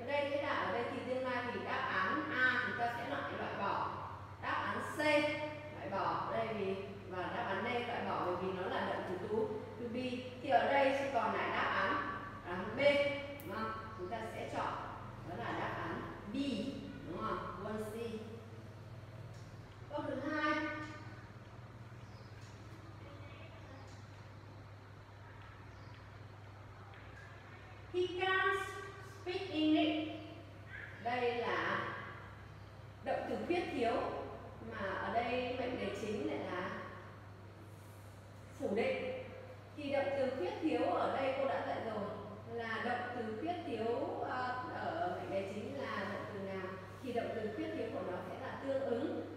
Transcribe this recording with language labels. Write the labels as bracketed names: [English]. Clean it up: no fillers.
[Vietnamese] Ở đây thế nào? Ở đây thì tương lai thì đáp án A chúng ta sẽ loại bỏ. Đáp án C loại bỏ đây vì, và đáp án D loại bỏ bởi vì nó là động từ to be. Thì ở đây chỉ còn lại đáp án B, đúng không? Chúng ta sẽ chọn đó là đáp án B, đúng không? [English] Want to see. [Vietnamese] Câu thứ hai, [English] he can't speak English. [Vietnamese] Đây là động từ khuyết thiếu, mà ở đây mệnh đề chính lại là phủ định. Thì động từ khuyết thiếu ở đây cô đã dạy rồi, là động từ khuyết thiếu ở mệnh đề chính là động từ nào, thì động từ khuyết thiếu của nó sẽ là tương ứng.